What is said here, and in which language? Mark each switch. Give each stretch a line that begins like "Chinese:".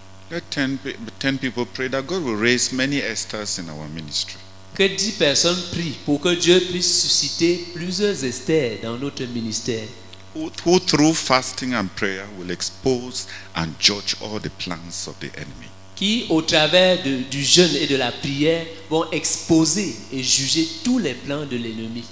English: Let 10 people pray that God will raise many Esthers in our ministry.
French: Que 10 personnes prient pour que Dieu puisse susciter plusieurs Esthers dans notre ministère.
English: Who through fasting and prayer will expose and judge all the plans of the enemy.
French: Qui au travers du jeûne et de la prière vont exposer et juger tous les plans de l'ennemi.